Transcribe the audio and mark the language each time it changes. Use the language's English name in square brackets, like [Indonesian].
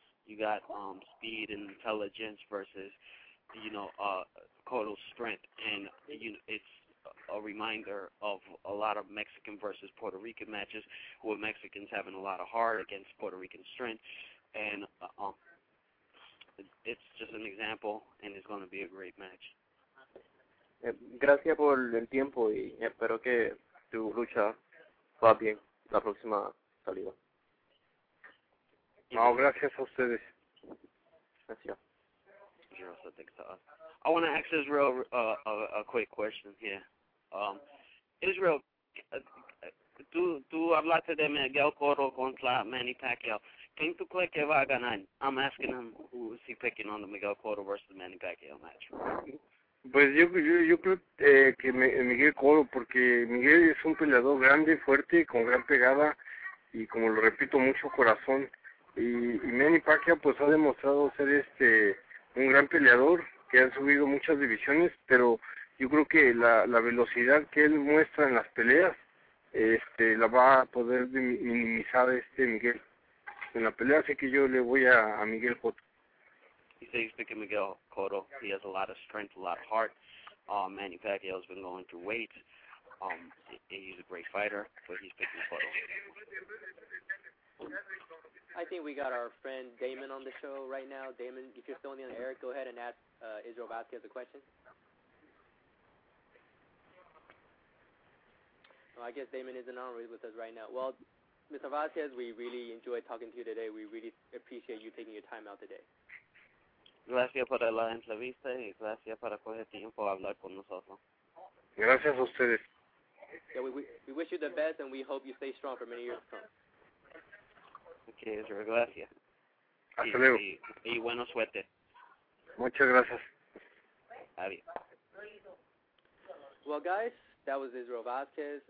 [English] You got speed and intelligence versus, you know, total strength. And, you know, it's a reminder of a lot of Mexican versus Puerto Rican matches, with Mexicans having a lot of heart against Puerto Rican strength. And it's just an example, and it's going to be a great match. [Spanish] Gracias por el tiempo y espero que tu lucha va bien la próxima salida. No, gracias a ustedes. Gracias. [English] You're also thanks to us. I want to ask Israel a quick question here. [Spanish] Israel, tú hablaste de Miguel Cotto contra Manny Pacquiao. ¿Quién tú crees que va a ganar? [English] I'm asking him who is he picking on the Miguel Cotto versus Manny Pacquiao match. [Spanish] Pues yo creo que Miguel Cotto, porque Miguel es un peleador grande, fuerte, con gran pegada y, como lo repito, mucho corazón. Y Manny Pacquiao pues ha demostrado ser un gran peleador, que ha subido muchas divisiones, pero yo creo que la velocidad que él muestra en las peleas la va a poder minimizar Miguel en la pelea, así que yo le voy a Miguel Cotto. [English] He says he's picking Miguel Cotto. He has a lot of strength, a lot of heart. Manny Pacquiao has been going through weight. He's a great fighter, but he's picking Cotto. I think we got our friend Damon on the show right now. Damon, if you're still in the air, go ahead and ask Israel Vasquez a question. Well, I guess Damon isn't on with us right now. Well, Mr. Vasquez, we really enjoyed talking to you today. We really appreciate you taking your time out today. [Spanish] Gracias por la entrevista y gracias por coger tiempo a hablar con nosotros. Gracias a ustedes. [English] Yeah, we wish you the best, and we hope you stay strong for many years to come. [Spanish] Okay, Israel, gracias. Hasta luego. Y buena suerte. Muchas gracias. Adiós. [English] Well, guys, that was Israel Vasquez.